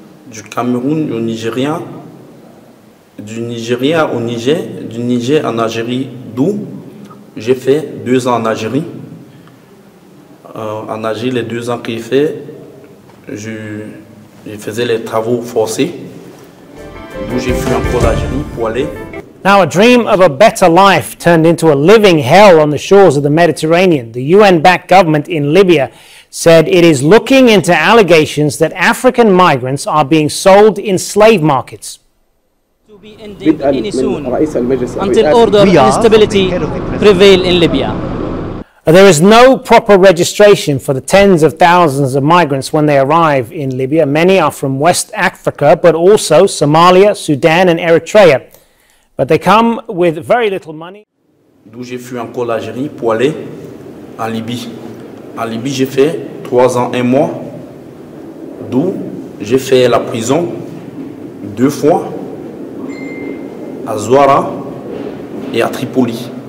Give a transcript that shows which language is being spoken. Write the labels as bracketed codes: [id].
[fr] Du Cameroun au Nigeria, du Nigeria au Niger, du Niger en Algérie, d'où j'ai fait 2 ans en Algérie. En Algérie, les 2 ans que j'ai fait, je faisais les travaux forcés. D'où j'ai fui encore l'Algérie pour aller. [en] Now a dream of a better life turned into a living hell on the shores of the Mediterranean. The UN-backed government in Libya said it is looking into allegations that African migrants are being sold in slave markets. To be ending any soon until order and stability prevail in Libya. But there is no proper registration for the tens of thousands of migrants when they arrive in Libya. Many are from West Africa, but also Somalia, Sudan and Eritrea. But they come with very little money. [fr] D'où j'ai fui encore l'Algérie pour aller en Libye. En Libye, j'ai fait 3 ans, 1 mois. D'où j'ai fait la prison 2 fois à Zouara et à Tripoli.